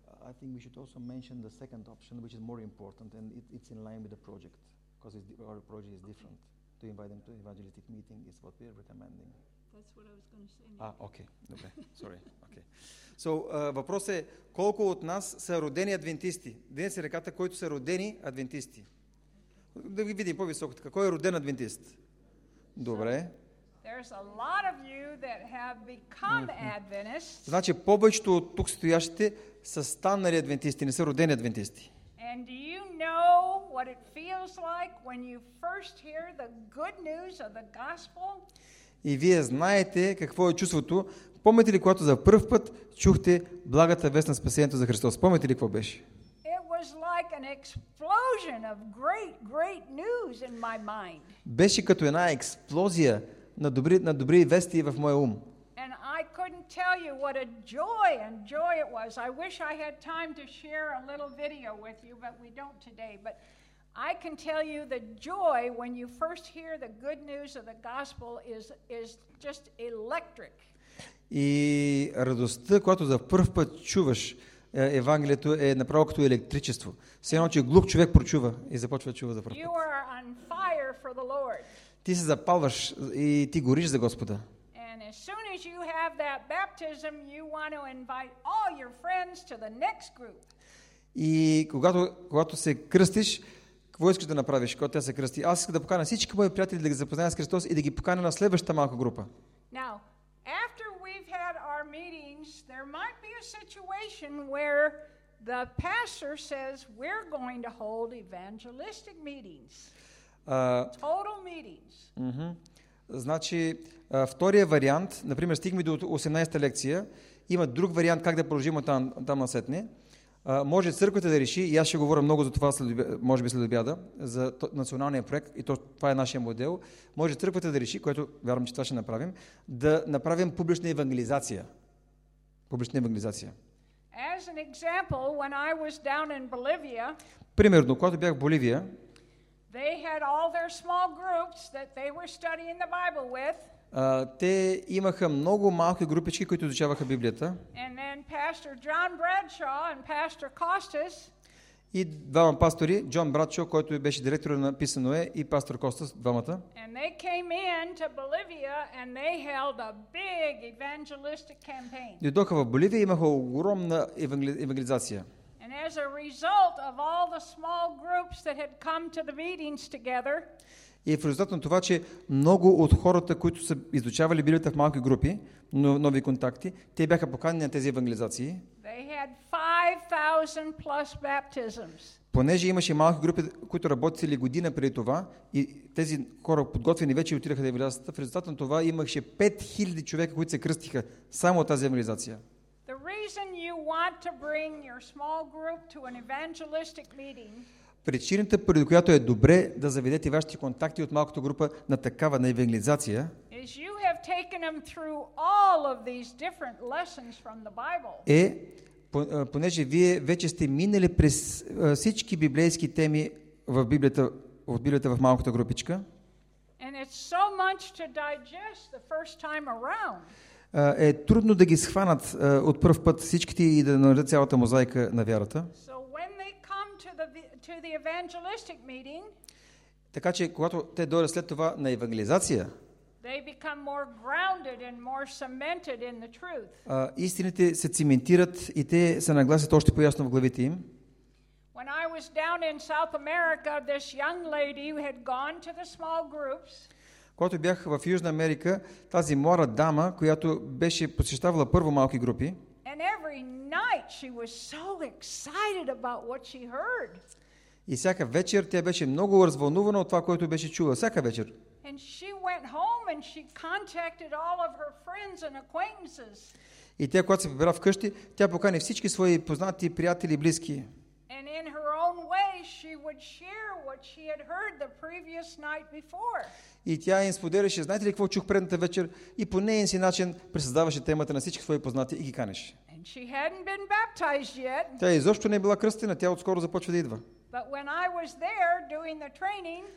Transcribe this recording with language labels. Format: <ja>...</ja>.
<en>I think we should also mention the second option, which is more important, and it's in line with the project, because our project is different. Okay. To invite them to evangelistic meeting is what we're recommending. That's what I was going to say. Maybe. Okay. Sorry. Okay.</en> <bg>So, въпрос е, колко от нас са родени адвентисти? Днес е реката, които са родени адвентисти. Okay. Да ви видим по-високо. Кой е роден адвентист? Добре.</bg> <en>There's a lot of you that have become Adventists.</en> <bg>Значи, повечето от тук стоящите са станали адвентисти, не са родени адвентисти.</bg> <en>And do you know what it feels like when you first hear the good news of the gospel?</en> <bg>И вие знаете какво е чувството? Помните ли когато за пръв път чухте благата вест на спасението за Христос? Помните ли какво беше?</bg> <en>It was like an explosion of great, great news in my mind.</en> <bg>Беше като една експлозия на добри вести в моя ум.</bg> <en>And I couldn't tell you what a joy and joy it was. I wish I had time to share a little video with you, but we don't today. But I can tell you the joy when you first hear the good news of the gospel is just electric.</en> <bg>И радостта, когато за първ път чуваш Евангелието, е направо като електричество. Все едно, че глух човек прочува и започва да чува за първ път.</bg> <en>You are on fire for the Lord.</en> <bg>Ти се запалваш и ти гориш за Господа.</bg> <en>As soon as you have that baptism, you want to invite all your friends to the next group.</en> <bg>И когато се кръстиш, какво искаш да направиш? Когато тя се кръсти, аз искам да поканя всички мои приятели да ги запозная с Христос и да ги поканя на следващата малка група.</bg> <en>Now, after we've had our meetings, there might be a situation where the pastor says we're going to hold evangelistic meetings. Total meetings.</en> <bg>Значи, втория вариант, например, стигме до 18-та лекция, има друг вариант как да продължим там насетне. Може църквата да реши, и аз ще говоря много за това, може би след обяда, за националния проект, и това е нашия модел. Може църквата да реши, което вярвам, че това ще направим, да направим публична евангелизация. Публична евангелизация.</bg> <en>As an example, when I was down in Bolivia,</en> <bg>примерно, когато бях в Боливия,</bg> <en>they had all their small groups that they were studying the Bible with.</en> <bg>Те имаха много малки групички, които изучаваха Библията.</bg> <en>And then Pastor John Bradshaw and Pastor Costas.</en> <bg>И двама пастори, Джон Брадшо, който беше директор на Писаное, и пастор Костас, двамата.</bg> <en>And they came in to Bolivia and they held a big evangelistic campaign.</en> <bg>Дойдоха в Боливия, имаха огромна евангелизация.</bg> <en>And as a result of all the small groups that had come to the meetings together,</en> <bg>и в резултат на това, че много от хората, които са изучавали Библията в малки групи, нови контакти, те бяха поканени на тези евангелизации.</bg> <en>They had 5000 plus baptisms.</en> <bg>Понеже имаше малки групи, които работили година преди това, и тези хора подготвени вече отидаха да евангелизацията, в резултат на това имаше 5000 човека, които се кръстиха само от тази евангелизация.</bg> <en>The reason you want to bring your small group to an evangelistic meeting.</en> <bg>Причината, поради която е добре да заведете вашите контакти от малката група на такава на евангелизация,</bg> <en>is you have taken them through all of these different lessons from the Bible.</en> <bg>Е, понеже вие вече сте минали през всички библейски теми в Библията, от Библията в малката групичка.</bg> <en>And it's so much to digest the first time around.</en> <bg>Е трудно да ги схванат от първ път всичките и да наредят цялата мозайка на вярата.</bg> <en>So when they come to the evangelistic meeting,</en> <bg>така че когато те дойдат след това на евангелизация,</bg> <en>they become more grounded and more cemented in the truth.</en> <bg>Истините се циментират и те се нагласят още по-ясно в главите им.</bg> <en>When I was down in South America, this young lady who had gone to the small groups,</en> <bg>когато бях в Южна Америка, тази млада дама, която беше посещавала първо малки групи,</bg> <en>And every night she was so excited about what she heard.</en> <bg>И всяка вечер тя беше много развълнувана от това, което беше чула. Всяка вечер.</bg> <en>And she went home and she contacted all of her friends and acquaintances.</en> <bg>И тя, когато се прибира вкъщи, тя покани всички свои познати, приятели и близки.</bg> <en>And in her own way she would share what she had heard the previous night before.</en> <bg>И тя им споделяше, знаете ли какво чух предната вечер, и по неин си начин пресъздаваше темата на всички свои познати и ги канеше.</bg> <en>And she hadn't been baptized yet.</en> <bg>Тя изобщо не била кръстена, тя отскоро започва да идва.</bg> <en>But when I was there doing the training,</en>